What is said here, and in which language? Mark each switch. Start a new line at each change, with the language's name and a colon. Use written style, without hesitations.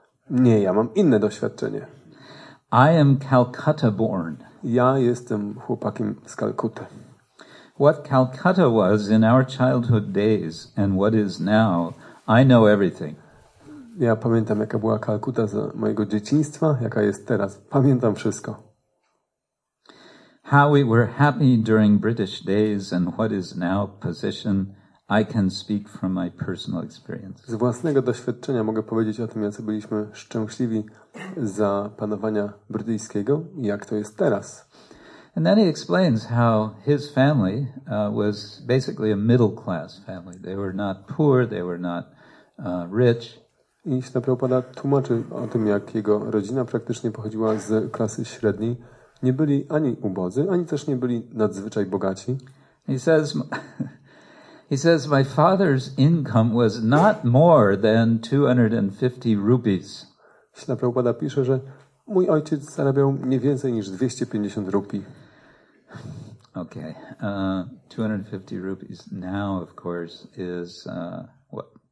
Polish: Nie, ja mam inne doświadczenie.
English: I am Calcutta born.
Polish: Ja jestem chłopakiem z Kalkuty.
English: What Calcutta was in our childhood days and what is now, I know everything.
Polish: Ja pamiętam, jaka była Kalkuta z mojego dzieciństwa, jaka jest teraz. Pamiętam wszystko.
English: How we were happy during British days and what is now position. I can speak from my personal experience.
Polish: Z własnego doświadczenia mogę powiedzieć o tym, jacy byliśmy szczęśliwi za panowania brytyjskiego i jak to jest teraz.
English: And then he explains how his family was basically a middle class family. They were not poor, they were not rich.
Polish: I Śla Prabhupada tłumaczy o tym, jak jego rodzina praktycznie pochodziła z klasy średniej. Nie byli ani ubodzy, ani też nie byli nadzwyczaj bogaci.
English: He says my father's income was not more than 250 rupees.
Polish: Śla Prabhupada pisze, że mój ojciec zarabiał nie więcej niż 250 rupii.
English: Okay. 250 rupees now of course is what?